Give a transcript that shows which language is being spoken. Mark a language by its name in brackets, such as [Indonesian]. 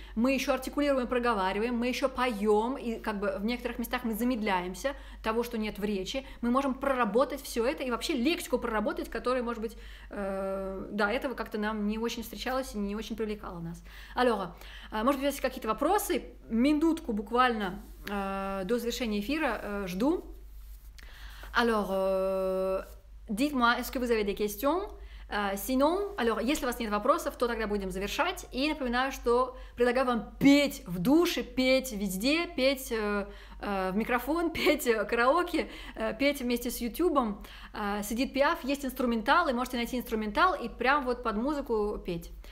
[Russian] мы еще артикулируем, проговариваем, мы еще поем, и как бы в некоторых местах мы замедляемся того, что нет в речи, мы можем проработать все это и вообще лексику проработать, которая, может быть, да, этого как-то нам не очень встречалось и не очень привлекало нас. Алёра, может быть, у вас есть какие-то вопросы? Минутку буквально до завершения эфира жду. [French] Alors, dites-moi, est-ce que vous avez des questions? Sinon, alors, [Russian] если у вас нет вопросов, то тогда будем завершать. И напоминаю, что предлагаю вам петь в душе, петь везде, петь в микрофон, петь караоке, петь вместе с Ютубом. Сидит Пиаф, есть инструментал, и можете найти инструментал и прямо вот под музыку петь.